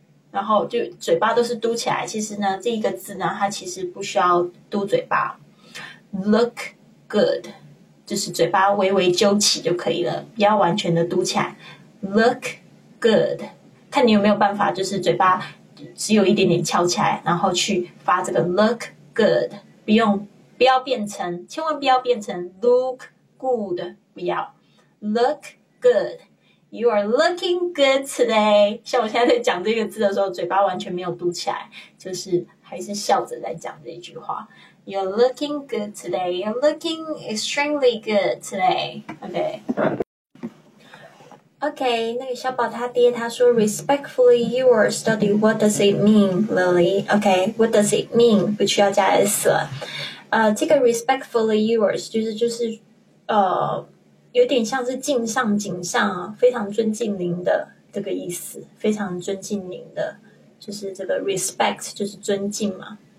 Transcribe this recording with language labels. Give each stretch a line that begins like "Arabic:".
Chinese: 然后就嘴巴都是嘟起来。其实呢，这一个字呢，它其实不需要嘟嘴巴 ，look good， 就是嘴巴微微揪起就可以了，不要完全的嘟起来 ，look good， 看你有没有办法，就是嘴巴只有一点点翘起来，然后去发这个 look good， 不用，不要变成，千万不要变成 look good， 不要 look good。
English: You are looking good today.
Chinese: 像我现在在讲这个字的时候，嘴巴完全没有嘟起来，就是还是笑着在讲这一句话。
English: You're looking good today. You're looking extremely good today. Okay. Okay.
Chinese: 那个小宝他爹他说 ，
English: Respectfully, you are study. What does it mean, Lily? Okay. What does it mean?
Chinese: 不需要加 s 了。这个 respectfully yours 就是有点像是敬上谨上啊，非常尊敬您的这个意思，非常尊敬您的，就是这个 respect 就是尊敬嘛。